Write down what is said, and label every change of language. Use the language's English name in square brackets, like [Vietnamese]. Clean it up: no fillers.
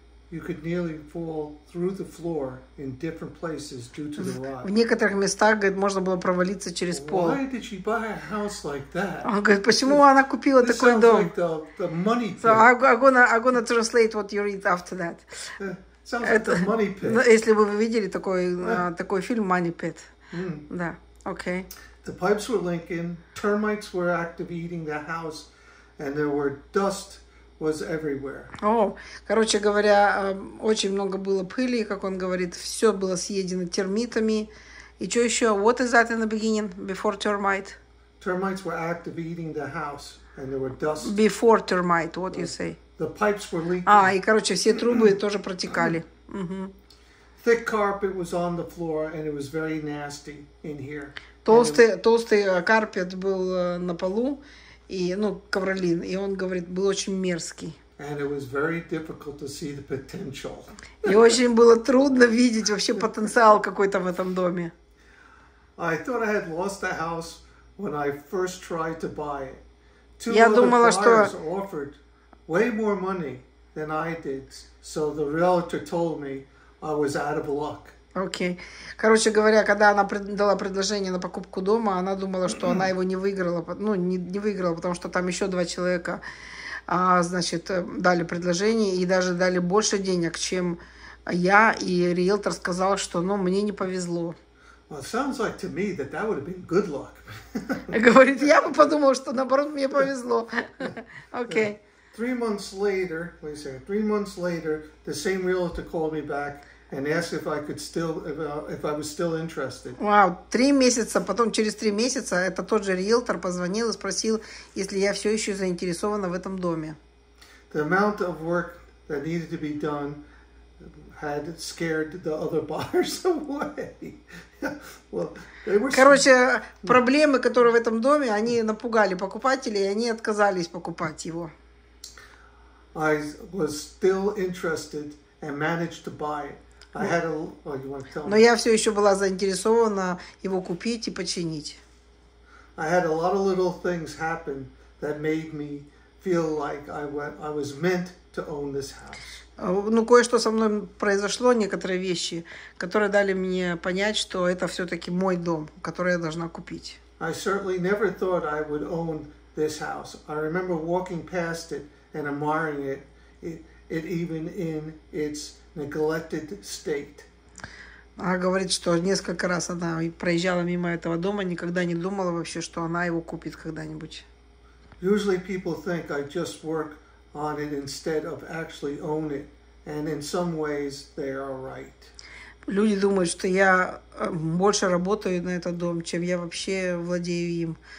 [English] You could nearly fall through the floor in different places due to the rot. [Russian] В некоторых местах, говорит, можно было провалиться через пол. [English] Why did she buy a house like that? [Russian] Он говорит, почему она купила такой дом? [English] This sounds like the money pit. So I'm gonna translate what you read after that. [Russian] Это, [English] like money pit. [Russian] Если бы вы видели такой, такой фильм Money Pit. Да. Окей. [English] The pipes were leaking, termites were active eating the house, and there were dust was everywhere. [Russian] Короче говоря, очень много было пыли, как он говорит, все было съедено термитами. И что еще? [English] What is that in the beginning? Before termite? Termites were active eating the house and there were dust. Before termite, what you say? The pipes were leaking. [Russian] И, короче, все трубы тоже протекали. [English] Thick carpet was on the floor, and it was very nasty in here. [Russian] Толстый карпет был на полу, и, ну, ковролин, и он, говорит, был очень мерзкий. [English] And it was very difficult to see the potential. [Russian] И очень было трудно видеть вообще потенциал какой-то в этом доме. [English] I thought I had lost the house when I first tried to buy it. Two [Russian] я думала, что... [English] Way more money than I did, so the realtor told me I was out of luck. [Russian] Окей. Короче говоря, когда она дала предложение на покупку дома, она думала, что она его не выиграла, ну, не выиграла, потому что там еще два человека, значит, дали предложение и даже дали больше денег, чем я, и риэлтор сказал, что, ну, мне не повезло. [English] Well, it sounds like to me that that would have been good luck. [Russian] Говорит, я бы подумал, что наоборот мне повезло. Окей. [English] Three months later, the same realtor called me back and asked if I could still, if I was still interested. [Russian] Вау, три месяца, потом через три месяца это тот же риэлтор позвонил и спросил, если я все еще заинтересована в этом доме. [English] The amount of work that needed to be done had scared the other buyers away. Well, [Russian] короче, проблемы, которые в этом доме, они напугали покупателей, и они отказались покупать его. [English] I was still interested and managed to buy it. I had a, oh, you want to tell me? [Russian] Но я все еще была заинтересована его купить и починить. [English] I had a lot of little things happen that made me feel like I was meant to own this house. [Russian] Ну, кое-что со мной произошло, некоторые вещи, которые дали мне понять, что это все-таки мой дом, который я должна купить. [English] I certainly never thought I would own this house. I remember walking past it and admiring it, it even in its neglected state. [Russian] Она говорит, что несколько раз она проезжала мимо этого дома, никогда не думала вообще, что она его купит когда-нибудь. [English] Usually people think I just work on it instead of actually own it, and in some ways they are right. [Russian] Люди думают, что я больше работаю на этот дом, чем я вообще владею им.